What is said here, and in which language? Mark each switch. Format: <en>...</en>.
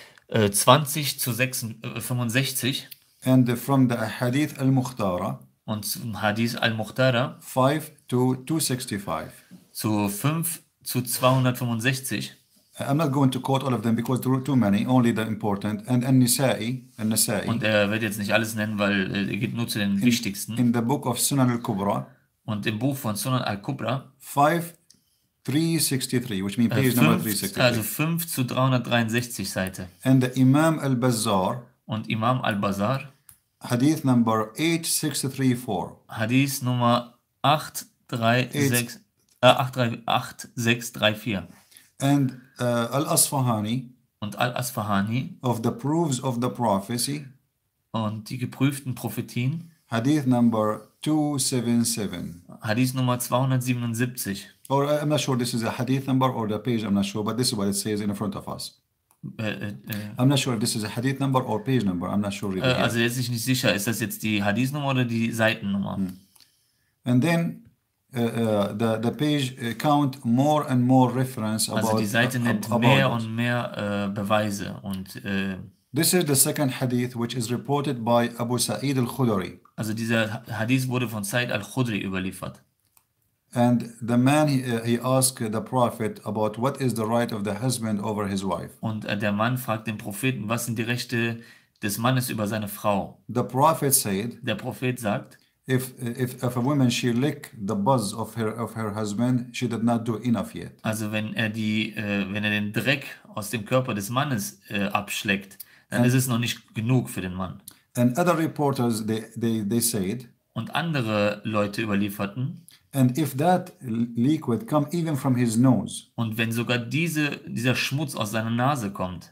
<de>20 zu 65.</de> <en>And from the Hadith al-Mukhtara.</en> <de>Und zum Hadith al-Mukhtara.</de> <en>5 to 265.</en> <de>Zu 5 zu 265.</de> <en>I'm not going to quote all of them because there are too many, only the important. And an-Nisa'i.</en> <de>Und er wird jetzt nicht alles nennen, weil er geht nur zu den wichtigsten.</de> <en>In the book of Sunan al-Kubra.</en> <de>Und im Buch von Sunan al-Kubra</de> <en>5363, which means page 5, number 363.</en> <de>Also 5 zu 363 Seite.</de> <en>And the Imam al-Bazar.</en> <de>Und Imam al-Bazar.</de> <en>Hadith number 8634.</en> <de>Hadith Nummer 8634.</de> <en>And al-Asfahani.</en> <de>Und al-Asfahani.</de> <en>Of the proofs of the prophecy.</en> <de>Und die geprüften Prophetien.</de> <en>Hadith number 277.</en> <de>Hadith Nummer 277.</de> <en>Or I'm not sure this is a hadith number or the page, I'm not sure, but this is what it says in front of us. I'm not sure if this is a hadith number or page number, I'm not sure. Really</en> <de>also jetzt ist nicht sicher, ist das jetzt die hadith Nummer oder die Seitennummer?</de> <en>And then the page count more and more reference</en> <de>also</de> <en>about...</en> <de>Also die Seite nennt mehr it. Und mehr Beweise und...</de> <en>This is the second hadith which is reported by Abu Sa'id al-Khudri.</en> <de>Also dieser Hadith wurde von Sa'id al-Khudri überliefert.</de> <en>And the man he asked the prophet about what is the right of the husband over his wife.</en> <de>Und der Mann fragt den Propheten, was sind die Rechte des Mannes über seine Frau?</de> <en>The prophet said.</en> <de>Der Prophet sagt,</de> <en>if a woman she lick the buzz of her husband, she did not do enough yet.</en> <de>Also wenn er den Dreck aus dem Körper des Mannes abschlägt, dann ist es noch nicht genug für den Mann.</de> <en>And other reporters they said.</en> <de>Und andere Leute überlieferten.</de> <en>And if that liquid come even from his nose.</en> <de>Und wenn sogar dieser Schmutz aus seiner Nase kommt.</de>